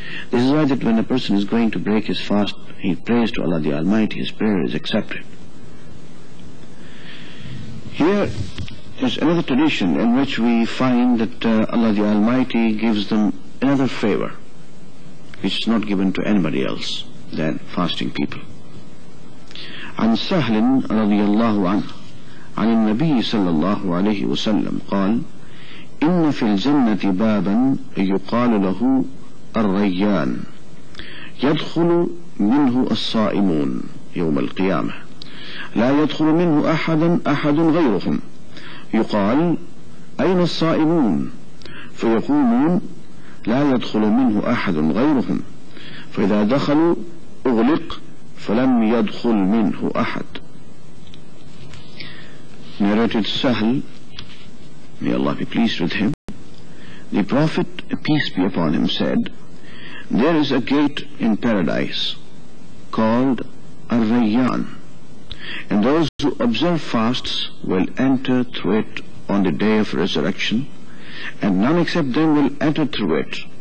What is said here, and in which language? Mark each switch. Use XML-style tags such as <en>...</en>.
<en>This is why that when a person is going to break his fast, he prays to Allah the Almighty, his prayer is accepted. Here is another tradition in which we find that Allah the Almighty gives them another favor, which is not given to anybody else than fasting people.</en> <ar>عن سهل رضي الله عنه عن النبي صلى الله عليه وسلم قال إن في الجنة بابا يقال له الريان يدخل منه الصائمون يوم القيامة لا يدخل منه أحد غيرهم يقال أين الصائمون فيقولون لا يدخل منه أحد غيرهم فإذا دخلوا أغلق فلم يدخل منه أحد.</ar> <en>Narrated Sahl, may Allah be pleased with him. The Prophet, peace be upon him, said, "There is a gate in Paradise called Ar-Rayyan, and those who observe fasts will enter through it on the day of resurrection, and none except them will enter through it.</en>